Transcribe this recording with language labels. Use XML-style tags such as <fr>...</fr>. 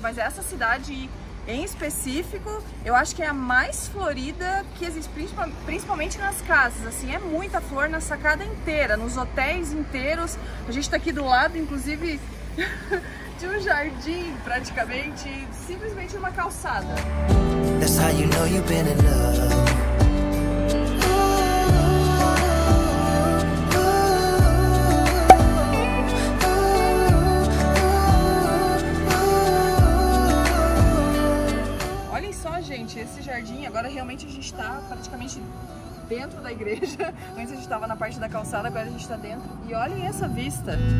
<pt>Mas essa cidade em específico, eu acho que é a mais florida que existe, principalmente nas casas. Assim, é muita flor na sacada inteira, nos hotéis inteiros. A gente está aqui do lado, inclusive... de um jardim, praticamente, simplesmente uma calçada.</pt> <en>That's how you know you've been in love.</en> <pt>Olhem só, gente, esse jardim. Agora realmente a gente está praticamente dentro da igreja. Antes a gente estava na parte da calçada, agora a gente está dentro. E olhem essa vista.</pt>